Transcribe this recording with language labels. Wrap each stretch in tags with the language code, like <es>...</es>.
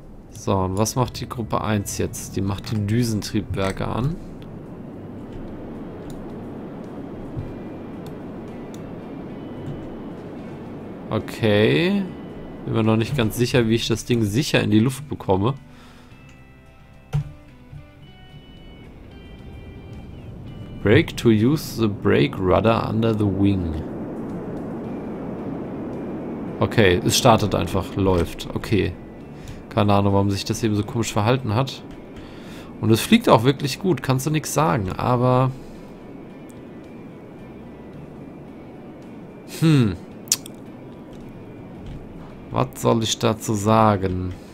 <de>So, und was macht die Gruppe 1 jetzt? Die macht die Düsentriebwerke an. Okay. Bin mir noch nicht ganz sicher, wie ich das Ding sicher in die Luft bekomme.</de> <en>Brake to use the brake rudder under the wing.</en> <de>Okay, es startet einfach, läuft. Okay. Keine Ahnung, warum sich das eben so komisch verhalten hat. Und es fliegt auch wirklich gut, kannst du nichts sagen, aber was soll ich dazu sagen?</de>